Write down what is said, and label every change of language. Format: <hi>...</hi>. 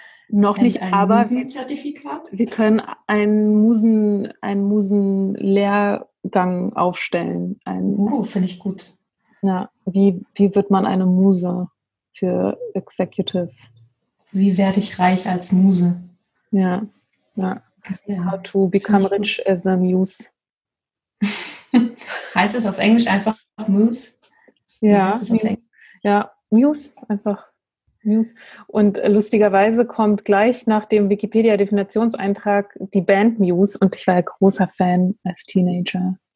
<de>Noch nicht, aber wir können einen Musenlehrgang aufstellen. Finde ich gut. Ja, wie wird man eine Muse für Executive? Wie werde ich reich als Muse? Ja, ja.</de> <en>How to become rich as a muse.</en> <de>Heißt es auf Englisch einfach Muse? Ja, ja, Muse einfach. Und lustigerweise kommt gleich nach dem Wikipedia-Definitionseintrag die Band Muse und ich war ja großer Fan als Teenager.</de>